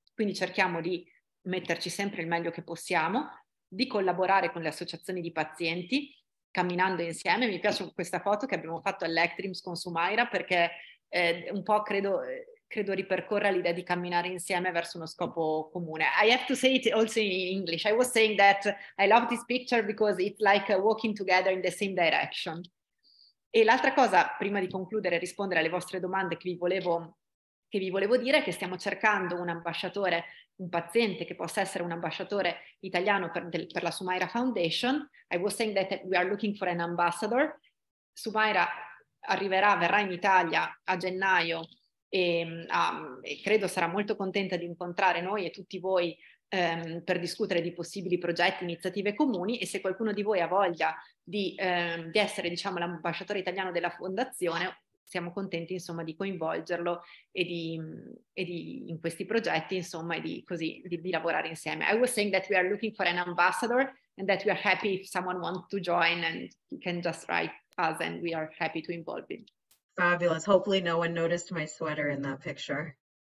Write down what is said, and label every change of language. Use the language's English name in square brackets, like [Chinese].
[Italian] Quindi cerchiamo di metterci sempre il meglio che possiamo, di collaborare con le associazioni di pazienti, camminando insieme. Mi piace questa foto che abbiamo fatto all'ECTRIMS con Sumaira, perché un po' credo ripercorra l'idea di camminare insieme verso uno scopo comune. [English] I have to say it also in English. I was saying that I love this picture because it's like walking together in the same direction. [Italian] E l'altra cosa, prima di concludere e rispondere alle vostre domande, che vi volevo dire è che stiamo cercando un ambasciatore, un paziente che possa essere un ambasciatore italiano per la Sumaira Foundation. [English] I was saying that we are looking for an ambassador. [Italian] Sumaira verrà in Italia a gennaio e credo sarà molto contenta di incontrare noi e tutti voi per discutere di possibili progetti, iniziative comuni, e se qualcuno di voi ha voglia di essere, diciamo, l'ambasciatore italiano della fondazione, siamo contenti, insomma, di coinvolgerlo e di in questi progetti, insomma, e di così di lavorare insieme. [English] I was saying that we are looking for an ambassador and that we are happy if someone wants to join and can just write us and we are happy to involve it. Fabulous. Hopefully no one noticed my sweater in that picture.